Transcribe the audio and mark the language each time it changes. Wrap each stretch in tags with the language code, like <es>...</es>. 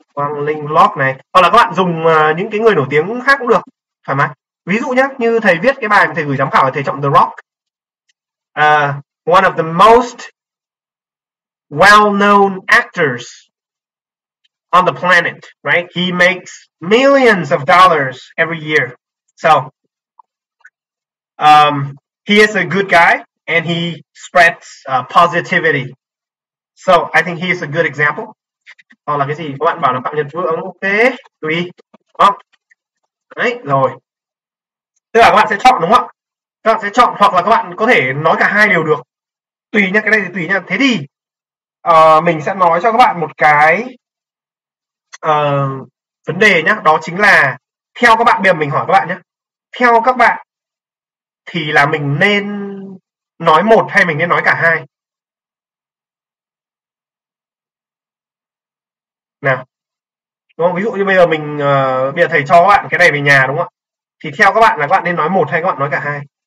<vi>Quang Linh Lock này, hoặc là các bạn dùng những cái người nổi tiếng khác cũng được, thoải mái. Ví dụ nhá, như thầy viết cái bài mà thầy gửi giám khảo là thầy chọn The Rock,</vi> <en>one of the most well-known actors on the planet, right? He makes millions of dollars every year. So, he is a good guy and he spreads positivity. So, I think he is a good example.</en> <vi>Hoặc là cái gì? Các bạn bảo là Phạm Nhật Vượng, ok, tùy. Không? Đấy, rồi. Tức là các bạn sẽ chọn đúng không? Các bạn sẽ chọn hoặc là các bạn có thể nói cả hai đều được. Tùy nha, cái này thì tùy nha. Thế thì mình sẽ nói cho các bạn một cái vấn đề nhá, đó chính là theo các bạn, bây giờ mình hỏi các bạn nhé, theo các bạn thì là mình nên nói một hay mình nên nói cả hai nào, đúng không? Ví dụ như bây giờ mình bây giờ thầy cho các bạn cái này về nhà đúng không, thì theo các bạn là các bạn nên nói một hay các bạn nói cả hai?</vi>